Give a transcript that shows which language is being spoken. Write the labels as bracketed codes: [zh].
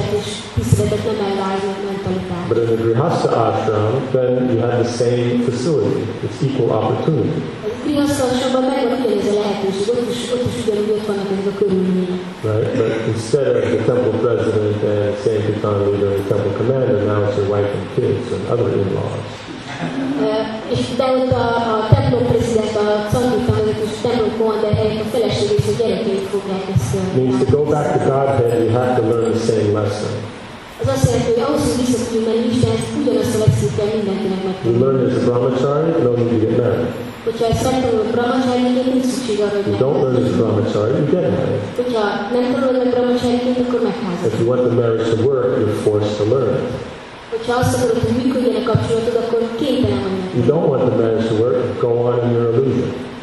[en] But in the Grihastha ashram, then you have the same facility. It's equal opportunity. Right, but instead of the temple president and sankirtan leader and temple commander, now it's your wife and kids and other in-laws. [hu] És de ott a templom president, a szankirtan és templom kommander helyett a feleség és a gyerekeit fogják ezt. [en] Means to go back to Godhead, you have to learn the same lesson. [hu] Az azt jelenti, hogy ahhoz, hogy visszatudjunk menni Istenhez, ugyanazt a lekciót kell mindenkinek megtanulni. [en] You learn as a brahmachari, no need to get married. [hu] Hogyha ezt megtanulod brahmachari, akkor nincs szükség arra, hogy [en] don't learn as a brahmachari, you get married. [hu] Hogyha nem tanulod meg brahmachari, akkor megházad. [en] If you want the marriage to work, you're forced to learn. You don't want the marriage to work, go on in your illusion.